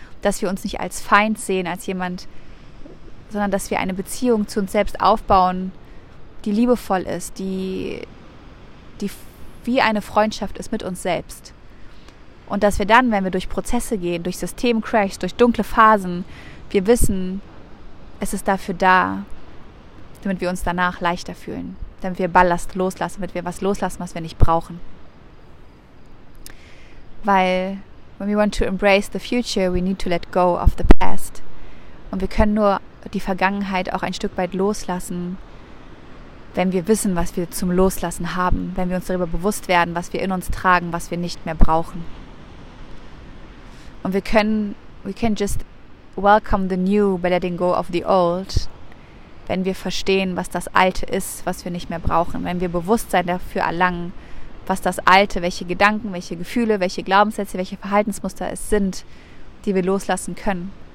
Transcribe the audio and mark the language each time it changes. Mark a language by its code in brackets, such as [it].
[de] Dass wir uns nicht als Feind sehen, als jemand, sondern dass wir eine Beziehung zu uns selbst aufbauen, die liebevoll ist, die wie eine Freundschaft ist mit uns selbst. Und dass wir dann, wenn wir durch Prozesse gehen, durch Systemcrash, durch dunkle Phasen, wir wissen, es ist dafür da, damit wir uns danach leichter fühlen, damit wir Ballast loslassen, damit wir was loslassen, was wir nicht brauchen. Weil [en] when we want to embrace the future, we need to let go of the past. [de] Und wir können nur die Vergangenheit auch ein Stück weit loslassen, wenn wir wissen, was wir zum Loslassen haben, wenn wir uns darüber bewusst werden, was wir in uns tragen, was wir nicht mehr brauchen. Und wir können, [en] we can just welcome the new by letting go of the old, [de] wenn wir verstehen, was das Alte ist, was wir nicht mehr brauchen, wenn wir Bewusstsein dafür erlangen, was das Alte, welche Gedanken, welche Gefühle, welche Glaubenssätze, welche Verhaltensmuster es sind, die wir loslassen können.